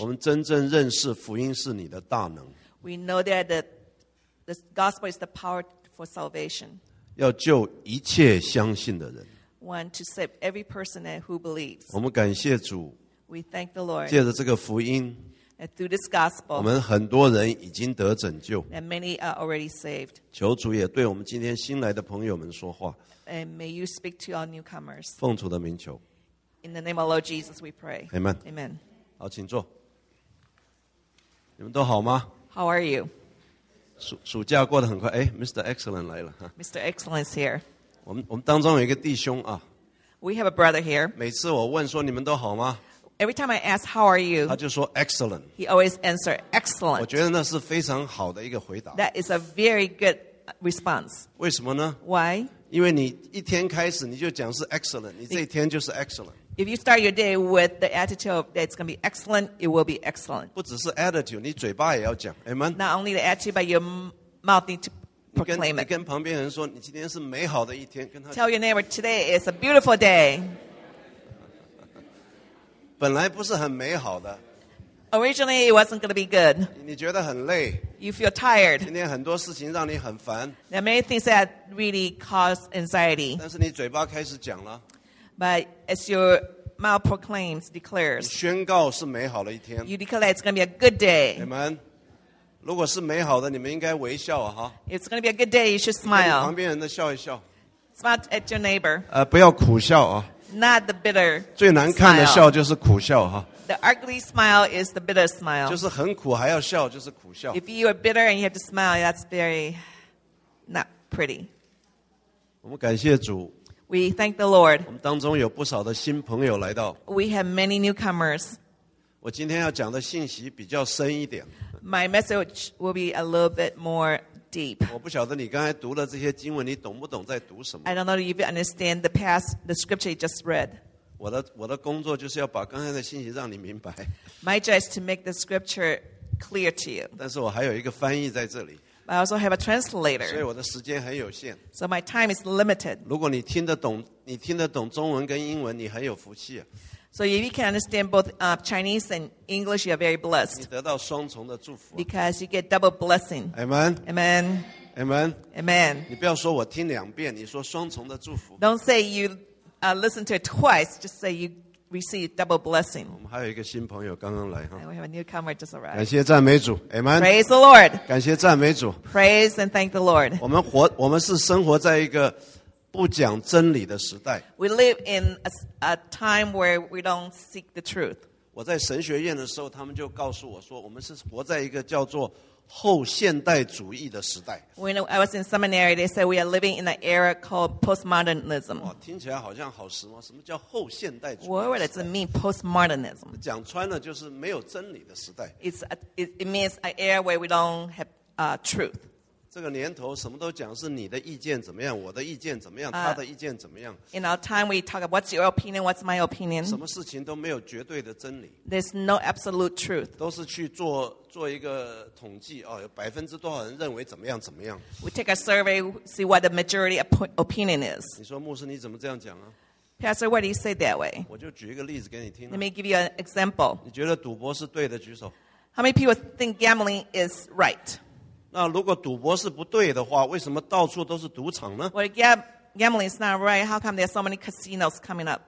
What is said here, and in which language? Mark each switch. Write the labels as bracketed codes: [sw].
[zh] 我们真正认识福音是你的大能。 [en] We know that the gospel is the power for salvation. [zh] 要救一切相信的人。 [en] Want to save every person who believes. [zh] 我们感谢主。 [en] We thank the Lord. [zh] 借着这个福音。 [en] And through this gospel. [zh] 我们很多人已经得拯救。 [en] And many are already saved. [zh] 求主也对我们今天新来的朋友们说话。 [en] And may you speak to all newcomers. [zh] 奉主的名求。 [en] In the name of Lord Jesus, we pray. Amen. Amen. [zh] 好，请坐。你们都好吗？ [en] How are you? [zh] 暑假过得很快。哎， Mr. Excellent 来了。 [en] Mr. Excellent is here. [zh] 我们当中有一个弟兄啊。 [en] We have a brother here. [zh] 每次我问说你们都好吗？ [en] Every time I ask, how are you? [zh] 他就说 excellent. [en] He always answered, excellent. [zh] 我觉得那是非常好的一个回答。 [en] That is a very good response. [zh] 为什么呢？ [en] Why? [zh] 因为你一天开始你就讲是 excellent， 你这一天就是 excellent。 [en] If you start your day with the attitude that it's going to be excellent, it will be excellent。 [zh] 不只是 attitude， 你嘴巴也要讲 ，amen。 [en] Not only the attitude, but your mouth need to proclaim it。 [zh] 你跟旁边人说，你今天是美好的一天，跟他。 [en] Tell your neighbor today is a beautiful day。 [zh] 本来不是很美好的。 [en] Originally, it wasn't going to be good. [zh] 你觉得很累。 [en] You feel tired. [zh] 今天很多事情让你很烦。 [en] There are many things that really cause anxiety. [zh] 但是你嘴巴开始讲了。 [en] But as your mouth proclaims, declares. [zh] 你宣告是美好的一天。 [en] You declare it's going to be a good day. [zh] 你们，如果是美好的，你们应该微笑啊，哈。 [en] If it's going to be a good day, you should smile. [zh] 旁边人的笑一笑。 [en] Smile at your neighbor. [zh] 不要苦笑啊。 [en] Not the bitter. [zh] 最难看的笑就是苦笑哈。 [en] The ugly smile is the bitter smile. [zh] 就是很苦还要笑，就是苦笑。 [en] If you are bitter and you have to smile, that's very not pretty. [zh] 我们感谢主。 [en] We thank the Lord. [zh] 我们当中有不少的新朋友来到。 [en] We have many newcomers. [zh] 我今天要讲的信息比较深一点。 [en] My message will be a little bit more deep. [zh] 我不晓得你刚才读了这些经文，你懂不懂在读什么？ [en] I don't know if you understand the past, the scripture you just read. [zh] 我的工作就是要把刚才的信息让你明白。 [en] My job is to make the scripture clear to you. [zh] 但是我还有一个翻译在这里。 [en] I also have a translator. [zh] 所以我的时间很有限。 [en] So my time is limited. [zh] 如果你听得懂中文跟英文，你很有福气啊。 [en] So if you can understand both Chinese and English, you are very blessed. [zh] 你得到双重的祝福。 [en] Because you get double blessing. Amen. Amen. Amen. Amen. [zh] 你不要说我听两遍，你说双重的祝福。 [en] Don't say you listen to it twice. Just say you receive double blessing. [zh] 我们还有一个新朋友刚刚来哈。 [en] And we have a newcomer just arrived. [zh] 感谢赞美主 ，Amen. [en] Praise the Lord. [zh] 感谢赞美主。 [en] Praise and thank the Lord. [zh] 我们是生活在一个不讲真理的时代。 [en] We live in a time where we don't seek the truth. [zh] 我在神学院的时候，他们就告诉我说，我们是活在一个叫做后现代主义的时代。 [en] When I was in seminary, they said we are living in an era called postmodernism. [zh] 哇，听起来好像好时髦。什么叫后现代主义？ [en] What does it mean, postmodernism? [zh] 讲穿了就是没有真理的时代。 [en] It means an era where we don't have truth. [zh] 这个年头什么都讲是你的意见怎么样，我的意见怎么样，他的意见怎么样。 [en] In our time, we talk about what's your opinion, what's my opinion. [zh] 什么事情都没有绝对的真理。 [en] There's no absolute truth. [zh] 都是去做一个统计，哦，有百分之多少人认为怎么样怎么样。 [en] We take a survey, see what the majority opinion is. [zh] 你说牧师你怎么这样讲啊？ [en] Pastor, why do you say that way? [zh] 我就举一个例子给你听。 [en] Let me give you an example. [zh] 你觉得赌博是对的举手。 [en] How many people think gambling is right? [zh] 那如果赌博是不对的话，为什么到处都是赌场呢？ [en] Well, gambling is not right. How come there are so many casinos coming up?